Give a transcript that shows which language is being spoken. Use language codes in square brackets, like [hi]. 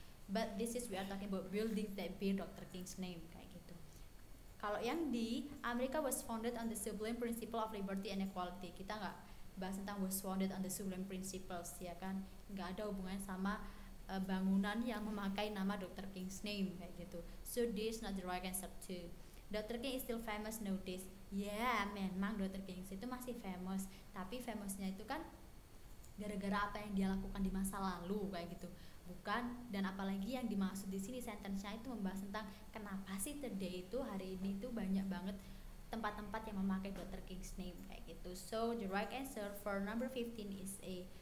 [en] But this is we are talking about building that bear Dr. King's name [id] kayak gitu. Kalau yang di Amerika [en] was founded on the sublime principle of liberty and equality. [id] Kita enggak bahas tentang [en] was founded on the sublime principles [id] ya kan. Enggak ada hubungannya sama bangunan yang memakai nama Dr. King's name kayak gitu. [en] So this is not the right answer too. Dr. King is still famous nowadays. Yeah, [id] memang [en] Dr. [id] King itu masih famous, tapi famousnya itu kan gara-gara apa yang dia lakukan di masa lalu kayak gitu. Bukan, dan apalagi yang dimaksud di sini sentence-nya itu membahas tentang kenapa sih today itu hari ini itu banyak banget tempat-tempat yang memakai Dr. King's name kayak gitu. [en] So the right answer for number 15 is A.